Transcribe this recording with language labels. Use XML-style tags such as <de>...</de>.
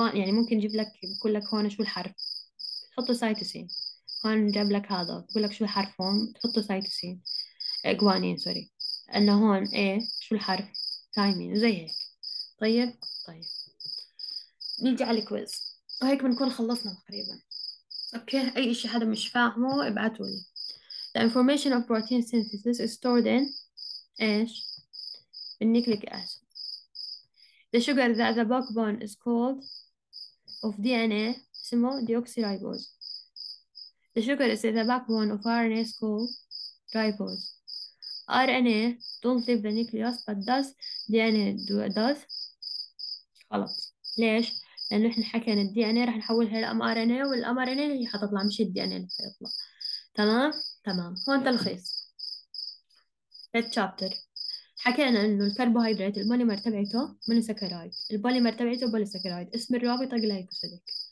<ar>يعني ممكن يجيب لك يقول لك هون شو الحرف تحطه سايتوسين، هون جاب لك هذا يقول لك شو الحرف هون تحطه سايتوسين جوانين سوري، انه هون ايه شو الحرف تايمين زي هيك. طيب نيجي على الكويز، وهيك بنكون خلصنا تقريبا. اوكي، اي اشي حدا مش فاهمه ابعتوا لي.</ar> <en>The information of protein synthesis is stored in ايش؟ in nucleic acid. The sugar that the backbone is called of DNA اسمه deoxyribose. The sugar is the backbone of RNA is called ribose. RNA don't leave the nucleus but does DNA do does.</en> <ar>خلط. ليش؟ لأنه إحنا حكينا الـ DNA رح نحولها لـ mRNA، والـ mRNA اللي حتطلع مش الـ DNA اللي حيطلع. تمام. هون تلخيص التشابتر، حكينا إنه الكربوهيدرات البوليمر تبعته مونوساكرايد، البوليمر تبعته بوليساكرايد، اسم الرابطة جلايكوسيديك.</ar>